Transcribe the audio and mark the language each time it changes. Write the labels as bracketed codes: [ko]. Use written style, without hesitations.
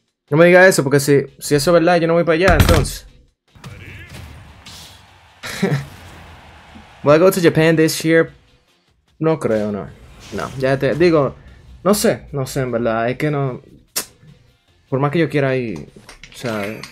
[es] No me diga eso, porque si eso es verdad, yo no voy para allá, entonces. [en] Will I go to Japan this year? [es] No creo, no. No, ya te digo, no sé, no sé, en verdad, es que no... Por más que yo quiera ir, o sea...